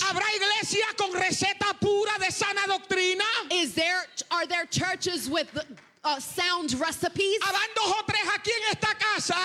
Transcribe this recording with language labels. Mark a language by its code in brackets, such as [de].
[es] Habrá iglesia con receta pura de sana doctrina. [en] Is there, are there churches with sound recipes? [es] Habrán dos o tres aquí en esta casa.